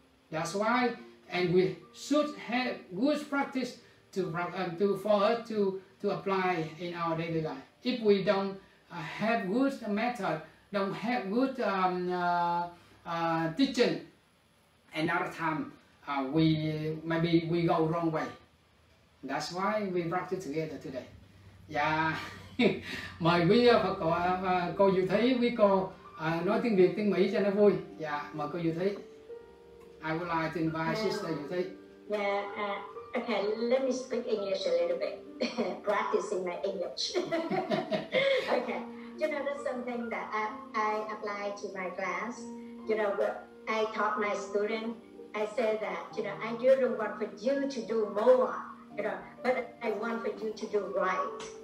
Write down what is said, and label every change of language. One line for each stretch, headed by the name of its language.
English: That's why, and we should have good practice to apply in our daily life. If we don't have good method, don't have good teaching, another time we go wrong way. That's why we practice together today.
Vietnamese: Yeah, mời quý Phật cô cô Diệu Thúy quý cô nói tiếng Việt tiếng Mỹ cho nó vui. Dạ, mời cô Diệu Thúy.
English: I would like to invite Sister Diệu Thúy. Yeah. Okay, let me speak English a little bit. Practicing my English. Okay. you know, that's something that I apply to my class. You know, I taught my student, I said that, you know, I didn't want for you to do more, you know, but I want for you to do right.